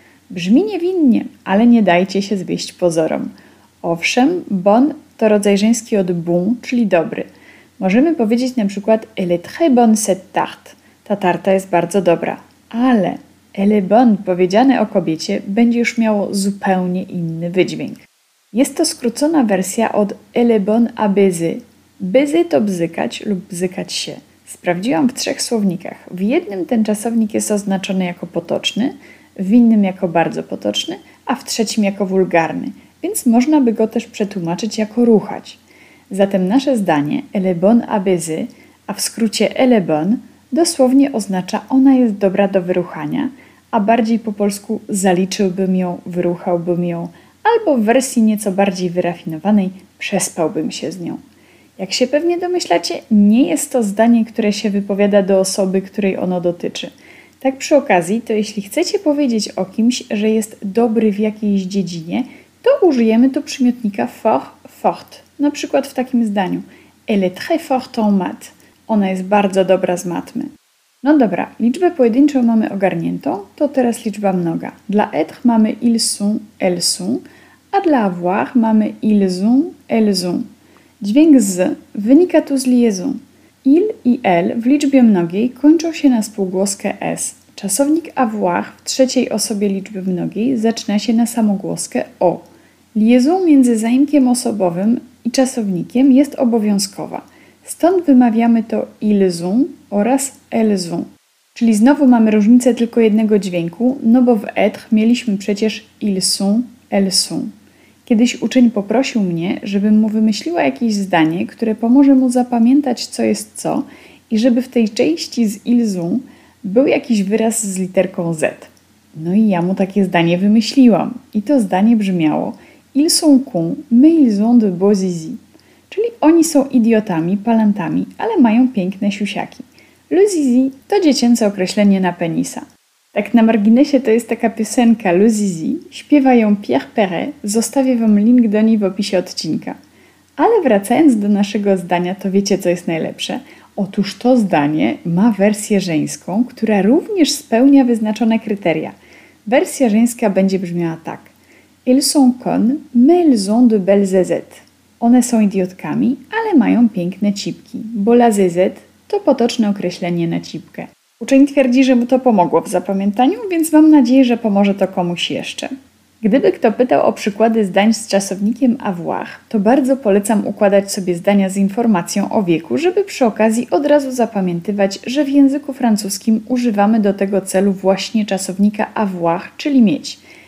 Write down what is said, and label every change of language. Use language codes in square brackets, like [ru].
[pl] Brzmi niewinnie, ale nie dajcie się zwieść pozorom. Owszem, bon to rodzaj żeński od bon, czyli dobry. Możemy powiedzieć na przykład [fr] elle est très bonne cette tarte. [pl] Ta tarta jest bardzo dobra. Ale [fr] elle est bonne [pl] powiedziane o kobiecie będzie już miało zupełnie inny wydźwięk. Jest to skrócona wersja od [fr] elle est bonne à baiser. [pl] Baiser to bzykać lub bzykać się. Sprawdziłam w trzech słownikach. W jednym ten czasownik jest oznaczony jako potoczny, w innym jako bardzo potoczny, a w trzecim jako wulgarny. Więc można by go też przetłumaczyć jako ruchać. Zatem nasze zdanie, [fr] elle est bonne à baiser, [pl] a w skrócie [fr] elle est bonne, [pl] dosłownie oznacza ona jest dobra do wyruchania, a bardziej po polsku zaliczyłbym ją, wyruchałbym ją, albo w wersji nieco bardziej wyrafinowanej przespałbym się z nią. Jak się pewnie domyślacie, nie jest to zdanie, które się wypowiada do osoby, której ono dotyczy. Tak przy okazji, to jeśli chcecie powiedzieć o kimś, że jest dobry w jakiejś dziedzinie, to użyjemy tu przymiotnika fort, fort. Na przykład w takim zdaniu. [fr] Elle est très forte en maths. [pl] Ona jest bardzo dobra z matmy. No dobra, liczbę pojedynczą mamy ogarniętą, to teraz liczba mnoga. Dla être mamy [fr] ils sont, elles sont, [pl] a dla avoir mamy [fr] ils ont, elles ont. [pl] Dźwięk z wynika tu z liaison. Il i elle w liczbie mnogiej kończą się na spółgłoskę s. Czasownik avoir w trzeciej osobie liczby mnogiej zaczyna się na samogłoskę o. Liaison między zaimkiem osobowym i czasownikiem jest obowiązkowa. Stąd wymawiamy to [fr] ils ont oraz elles ont. [pl] Czyli znowu mamy różnicę tylko jednego dźwięku, no bo w être mieliśmy przecież [fr] ils sont, elles sont. [pl] Kiedyś uczeń poprosił mnie, żebym mu wymyśliła jakieś zdanie, które pomoże mu zapamiętać, co jest co i żeby w tej części z [fr] ils sont [pl] był jakiś wyraz z literką Z. No i ja mu takie zdanie wymyśliłam. I to zdanie brzmiało: [fr] ils sont cons, mais ils ont de beaux zizi. [pl] Czyli oni są idiotami, palantami, ale mają piękne siusiaki. Le zizi to dziecięce określenie na penisa. Tak na marginesie, to jest taka piosenka Le zizi, śpiewa ją Pierre Perret, zostawię wam link do niej w opisie odcinka. Ale wracając do naszego zdania, to wiecie, co jest najlepsze? Otóż to zdanie ma wersję żeńską, która również spełnia wyznaczone kryteria. Wersja żeńska będzie brzmiała tak. [fr] Ils sont cons, mais ils ont de belles zézettes. [pl] One są idiotkami, ale mają piękne cipki, bo la zézette to potoczne określenie na cipkę. Uczeń twierdzi, że mu to pomogło w zapamiętaniu, więc mam nadzieję, że pomoże to komuś jeszcze. Gdyby kto pytał o przykłady zdań z czasownikiem avoir, to bardzo polecam układać sobie zdania z informacją o wieku, żeby przy okazji od razu zapamiętywać, że w języku francuskim używamy do tego celu właśnie czasownika avoir, czyli mieć.